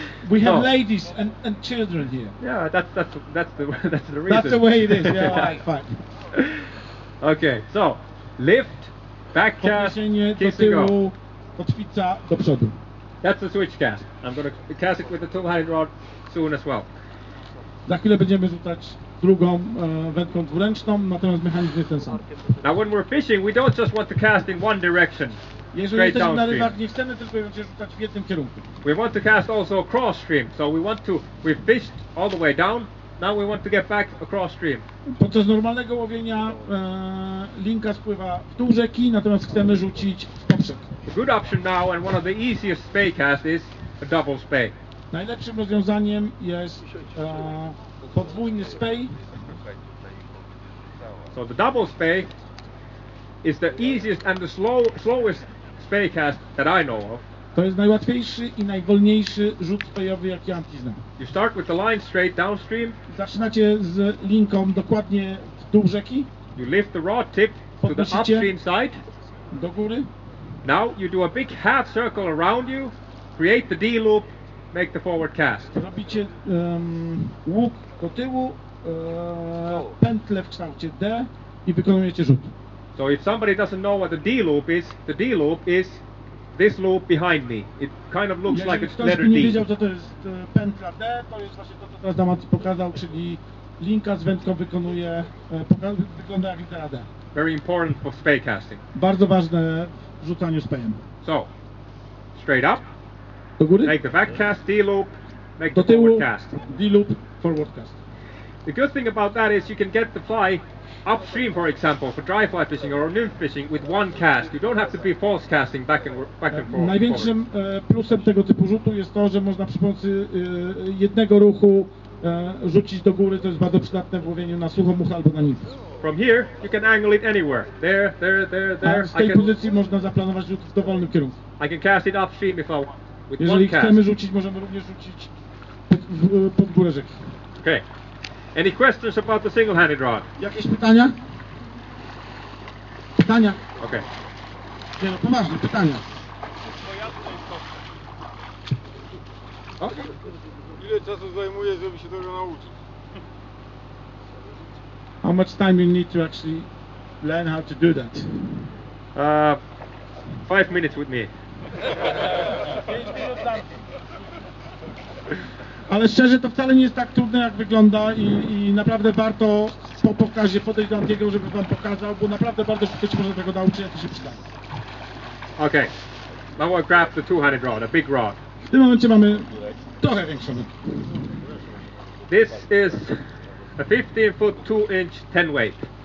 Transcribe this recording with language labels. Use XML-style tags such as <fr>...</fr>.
<en>We have ladies and children here. Yeah, that's the reason. That's the way it is. Yeah, right, fine. Okay, so lift. Back cast, kiss</en> <pl>tyłu,</pl> <en>and go.</en> <pl>Kotwica do przodu.</pl> <en>That's the switch cast. I'm going to cast it with the two-handed rod soon as well.</en> <pl>Za chwilę będziemy rzucać drugą wędką dwuręczną, natomiast mechanizm jest ten sam.</pl> <en>Now when we're fishing, we don't just want to cast in one direction.</en> <pl>Jeżeli jesteśmy na rybach, nie chcemy tylko ją rzucać w jednym kierunku.</pl> <en>We want to cast also across stream. So we want to, we fished all the way down. Now we want to get back across stream.</en> <pl>Podczas normalnego łowienia linka spływa w dół rzeki, natomiast chcemy rzucić poprzek.</pl> <en>A good option now and one of the easiest spay cast is a double spay.</en> <pl>Najlepszym rozwiązaniem jest podwójny spay.</pl> <en>So the double spay is the easiest and the slowest spay cast that I know of.</en> <pl>To jest najłatwiejszy i najwolniejszy rzut spejowy, jaki ja znam.</pl> <en>You start with the line straight downstream.</en> <pl>Zaczynacie z linką dokładnie w dół rzeki.</pl> <en>You lift the rod tip to the upstream side.</en> <pl>Do góry.</pl> <en>Now you do a big half circle around you, create the D loop, make the forward cast.</en> <pl>Robicie łuk do tyłu, pętlę w kształcie D i wykonujecie rzut.</pl> <en>So if somebody doesn't know what the D loop is this loop behind me. It kind of looks like it's letter D.</en> <pl>Jeżeli ktoś nie wiedział, co to jest pętla D, to jest właśnie to, co teraz Damat pokazał, czyli linka z wędką wykonuje, wygląda jak litera D.</pl> <en>Very important for spay casting.</en> <pl>Bardzo ważne w rzucaniu spejem.</pl> <en>So, straight up.</en> <pl>Do góry.</pl> <en>Make the back cast, D loop, make the forward cast. D loop, forward cast. The good thing about that is you can get the fly upstream, for example, for dry fly fishing or nymph fishing with one cast. You don't have to be false casting back and forth.</en> <pl>Największym plusem tego typu rzutu jest to, że można przy pomocy jednego ruchu rzucić do góry. To jest bardzo przydatne w łowieniu na sucho much albo na nymfę.</pl> <en>From here, you can angle it anywhere. There, there, there, there.</en> <pl>Z tej pozycji można zaplanować rzut w dowolnym kierunku.</pl> <en>I can cast it upstream if I want. With</en> <pl>jeżeli</pl> <en>one cast.</en> <pl>Chcemy rzucić, możemy również rzucić pod górę rzeki.</pl> <en>Okay. Any questions about the single-handed rod?</en> <pl>Jakieś pytania? Pytania?</pl> <en>Okay.</en> <pl>Nie, no poważne, pytania.</pl> <en>Okay.</en> <pl>Ile czasu zajmuje, żeby się tego nauczyć?</pl> <en>How much time you need to actually learn how to do that? 5 minutes with me.</en> <pl>Ale szczerze, to wcale nie jest tak trudne, jak wygląda i naprawdę warto po pokazie podejść do Antiego, żeby wam pokazał, bo naprawdę bardzo szybko się można tego nauczyć, jak to się przyda.</pl> <en>Okay. Now I'll grab the two-handed rod, a big rod.</en> <pl>W tym momencie mamy trochę większą.</pl> <en>This is a 15 foot 2 inch 10 weight.</en>